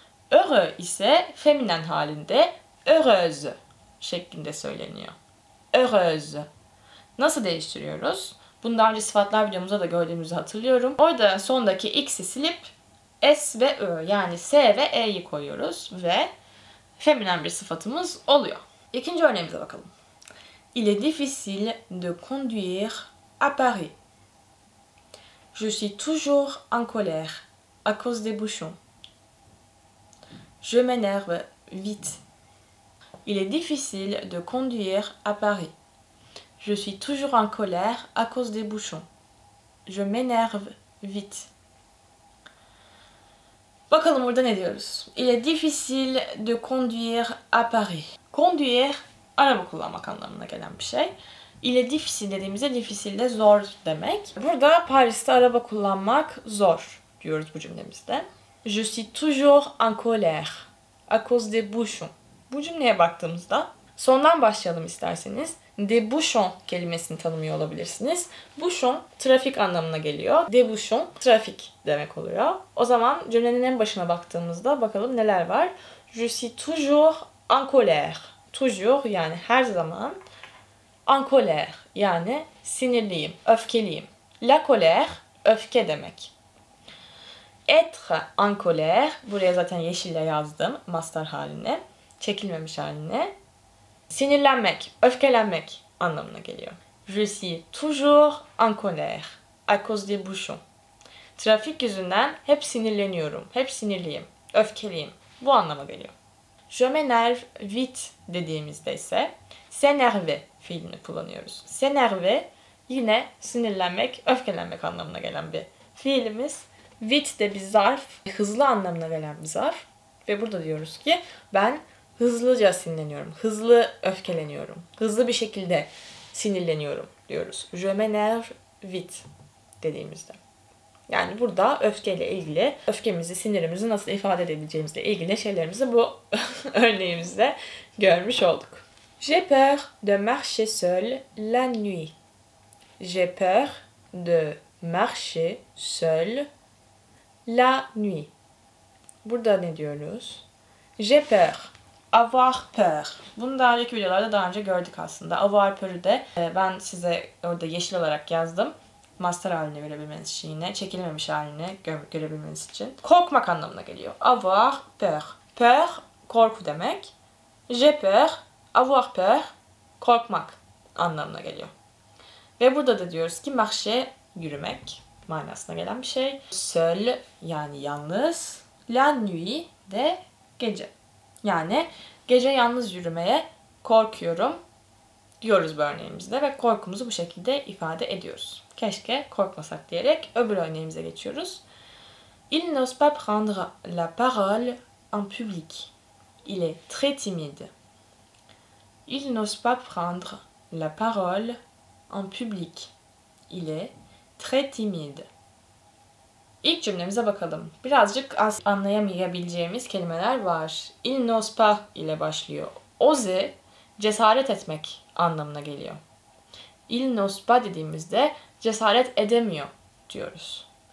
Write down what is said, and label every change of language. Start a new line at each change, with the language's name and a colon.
Turkish: Heureux ise feminen halinde heureuse şeklinde söyleniyor. Heureuse. Nasıl değiştiriyoruz? Bunu daha önce sıfatlar videomuzda da gördüğümüzü hatırlıyorum. Orada sondaki x'i silip s ve ö yani s ve e'yi koyuyoruz ve feminen bir sıfatımız oluyor. İkinci örneğimize bakalım.
French: Il est difficile de conduire à Paris. Je suis toujours en colère à cause des bouchons. Je m'énerve vite. Il est difficile de conduire à Paris. Je suis toujours en colère à cause des bouchons. Je m'énerve vite.
Turkish: Bakalım burada ne diyoruz.
French: Il est difficile de conduire à Paris.
Turkish: Conduire, araba kullanmak anlamına gelen bir şey. Il est difficile dediğimizde difficile de zor demek. Burada Paris'te araba kullanmak zor diyoruz bu cümlemizde.
French: Je suis toujours en colère à cause des bouchons.
Turkish: Bu cümleye baktığımızda sondan başlayalım isterseniz. Des bouchons kelimesini tanımıyor olabilirsiniz. Bouchon trafik anlamına geliyor. Des bouchons trafik demek oluyor. O zaman cümlenin en başına baktığımızda bakalım neler var.
French: Je suis toujours en colère.
Turkish: Toujours yani her zaman. En colère yani sinirliyim, öfkeliyim. La colère, öfke demek. Être en colère, buraya zaten yeşille yazdım mastar haline, çekilmemiş haline. Sinirlenmek, öfkelenmek anlamına geliyor.
French: Je suis toujours en colère à cause des bouchons.
Turkish: Trafik yüzünden hep sinirleniyorum, hep sinirliyim, öfkeliyim. Bu anlama geliyor.
French: Je m'énerve vite
Turkish: dediğimizde ise s'énerver fiilini kullanıyoruz. S'énerver yine sinirlenmek, öfkelenmek anlamına gelen bir fiilimiz. Vite de bir zarf, hızlı anlamına gelen bir zarf. Ve burada diyoruz ki ben hızlıca sinirleniyorum, hızlı öfkeleniyorum, hızlı bir şekilde sinirleniyorum diyoruz.
French: Je m'énerve vite
Turkish: dediğimizde. Yani burada öfkeyle ilgili, öfkemizi, sinirimizi nasıl ifade edebileceğimizle ilgili şeylerimizi bu örneğimizde görmüş olduk.
French: J'ai peur de marcher seul la nuit. J'ai peur de marcher seul la nuit.
Turkish: Burada ne diyoruz? J'ai peur. Avoir peur. Bunu daha önceki videolarda daha önce gördük aslında. Avoir peur'ü de ben size orada yeşil olarak yazdım. Mastar halini verebilmeniz için yine, çekilmemiş halini görebilmeniz için. Korkmak anlamına geliyor. Avoir peur. Peur, korku demek. J'ai peur, avoir peur, korkmak anlamına geliyor. Ve burada da diyoruz ki marcher, yürümek manasına gelen bir şey. Seul, yani yalnız. La nuit de gece. Yani gece yalnız yürümeye korkuyorum diyoruz bu örneğimizde ve korkumuzu bu şekilde ifade ediyoruz. Keşke korkmasak diyerek öbür örneğimize geçiyoruz.
French: Il n'ose pas prendre la parole en public. Il est très timide. Il n'ose pas prendre la parole en public. Il est très timide.
Turkish: İlk cümlemize bakalım. Birazcık anlayamayabileceğimiz kelimeler var. Il n'ose pas ile başlıyor. Ose, cesaret etmek anlamına geliyor. Il n'ose pas dediğimizde cesaret edemiyor diyoruz.